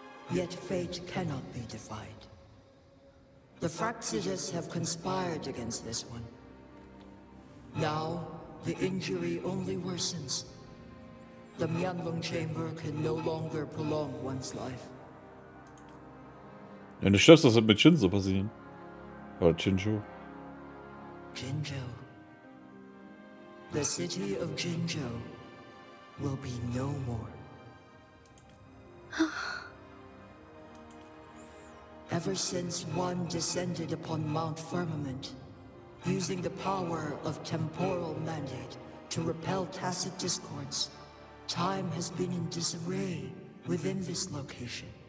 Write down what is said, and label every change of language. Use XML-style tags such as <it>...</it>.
<en>Yet fate cannot be defied. The Fraxidus have conspired against this one. Now, the injury only worsens. The Myunlong chamber can no longer prolong one's life.</en> <de>Wenn du stirbst, das wird mit Jinzo passieren. Oder Jinjo. Jinjo.</de> <en>The city of Jinjo will be no more. Ever since one descended upon Mount Firmament, using the power of temporal mandate to repel tacit discords, time has been in disarray within this location.</en>